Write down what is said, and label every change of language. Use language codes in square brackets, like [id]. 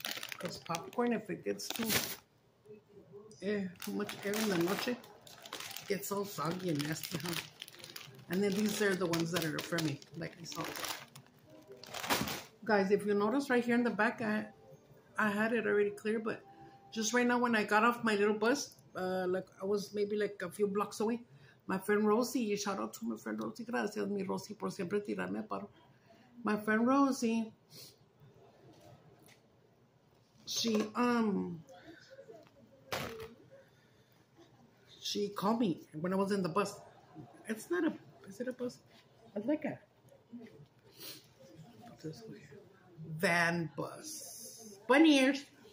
[en] Because popcorn, if it gets too much air in the noche, it gets all soggy and nasty, huh? And then these are the ones that are for me, like these salt. Guys, if you notice right here in the back, I had it already clear, but just right now when I got off my little bus, like I was maybe like a few blocks away. My friend Rosie, shout out to my friend Rosie. [es] Gracias, mi Rosie, por siempre tirarme a paro. [en] My friend Rosie, she called me when I was in the bus. It's not a, is it a bus? I like a van bus. Bunny ears.